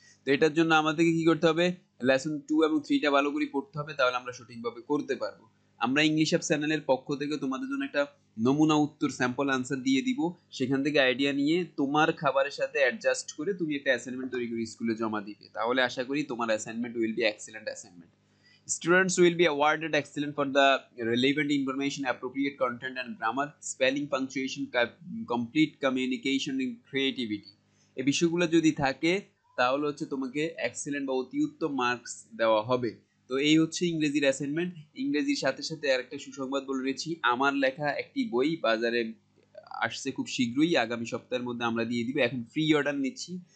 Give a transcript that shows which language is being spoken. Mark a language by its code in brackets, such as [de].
[bn] তো এটার জন্য আমাদেরকে কি করতে হবে, লেসন 2 এবং 3টা ভালো করে পড়তে হবে, তাহলে আমরা সঠিকভাবে করতে পারবো। আমরা ইংলিশ অ্যাপ চ্যানেলের পক্ষ থেকে তোমাদের জন্য একটা নমুনা উত্তর স্যাম্পল আনসার দিয়ে দিব, সেখান থেকে আইডিয়া নিয়ে তোমার খাবারের সাথে অ্যাডজাস্ট করে তুমি একটা অ্যাসাইনমেন্ট তৈরি করে স্কুলে জমা দিবে। তাহলে আশা করি তোমার assignment [en] Will be excellent assignment. Students will be awarded excellent for the relevant information, appropriate content and grammar, spelling, punctuation, complete communication and creativity. [bn] এই বিষয়গুলো যদি থাকে তাহলে হচ্ছে তোমাকে এক্সেলেন্ট বা অতি উত্তম মার্কস দেওয়া হবে। তো এই হচ্ছে ইংরেজির অ্যাসাইনমেন্ট। ইংরেজির সাথে সাথে আরেকটা সুসংবাদ বলে রেখেছি, আমার লেখা একটি বই বাজারে আসছে খুব শীঘ্রই, আগামী সপ্তাহের মধ্যে আমরা দিয়ে দিব, এখন ফ্রি অর্ডার নিচ্ছি।